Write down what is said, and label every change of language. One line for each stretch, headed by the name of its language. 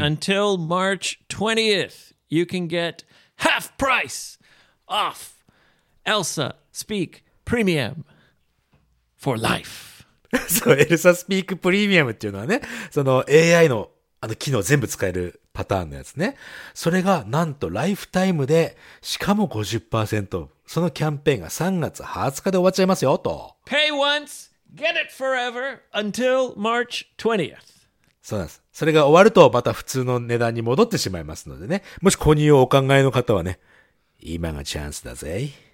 English: Until March 20th, you can get half price off Elsa Speak Premium for life.
Japanese: そう、Elsa Speak Premium っていうのはね、その AI のあの機能全部使えるパターンのやつね。それがなんとライフタイムで、しかも 50%。そのキャンペーンが3月20日で終わっちゃいますよ、と。
English: Pay once! Get it forever until March 20th.
Japanese: そうなんです。それが終わるとまた普通の値段に戻ってしまいますのでね。もし購入をお考えの方はね、今がチャンスだぜ。